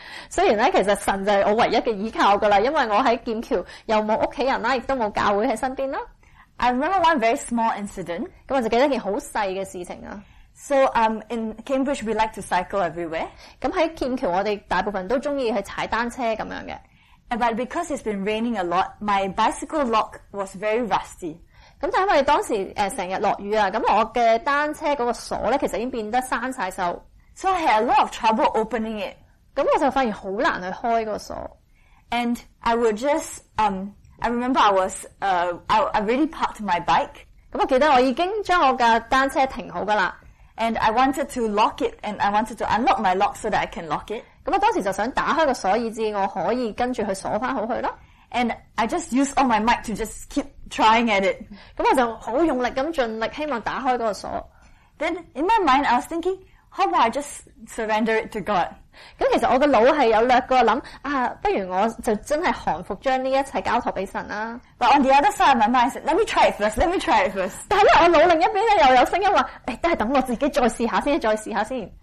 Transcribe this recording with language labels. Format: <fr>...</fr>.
<yue>雖然咧，其實神就係我唯一嘅依靠噶啦，因為我喺劍橋又冇屋企人啦，亦都冇教會喺身邊啦。</yue> <en>I remember one very small incident.</en> <yue>咁我就記得一件好細嘅事情啊。</yue> <en>So in Cambridge, we like to cycle everywhere.</en> <yue>咁喺劍橋，我哋大部分都中意去踩單車咁樣嘅。</yue> <en>But because it's been raining a lot, my bicycle lock was very rusty.</en> <yue>咁但因为当时成日落雨啊，咁我嘅单车嗰个锁咧，其实已经变得生晒锈。</yue> <en>So I had a lot of trouble opening it.</en> <yue>咁我就发现好难去开个锁。</yue> <en>And I would just I remember I was I really parked my bike.</en> <yue>咁我记得我已经将我嘅单车停好噶啦。</yue> <en>And I wanted to lock it, and I wanted to unlock my lock so that I can lock it.</en> <yue>咁我当时就想打开个锁，以至我可以跟住去锁翻好佢咯。</yue> <en>And I just use all my might to just keep trying at it.</en> <yue>咁我就好用力咁尽力，希望打开嗰个锁。</yue> <en>Then in my mind, I was thinking, how about I just surrender it to God?</en> <yue>咁其实我嘅脑系有略过谂啊，不如我就真系降服，将呢一切交托俾神啦。</yue> <en>But on the other side, my mind said, "Let me try it first. Let me try it first."</en> <yue>但系咧，我脑另一边咧又有声音话，都系等我自己再试下先，再试下先。</yue>